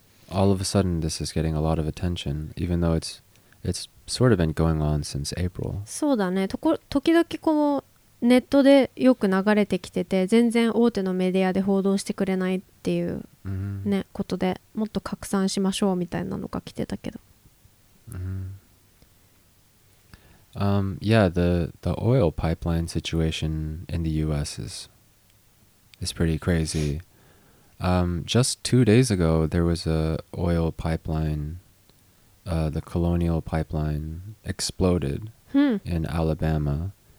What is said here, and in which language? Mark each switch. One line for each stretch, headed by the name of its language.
English: All of a sudden, this is getting a lot of attention, even though it's sort of been going on since April.
Japanese: そうだね。時々こうネットでよく流れてきてて、全然大手のメディアで報道してくれないっていう。
English: Mm-hmm.
Japanese: ね、ことでもっと拡散しましょうみたいなのが来てたけど。
English: Yeah, the oil pipeline situation in the U.S. is pretty crazy. Just 2 days ago, there was a oil pipeline, the Colonial Pipeline, exploded in Alabama,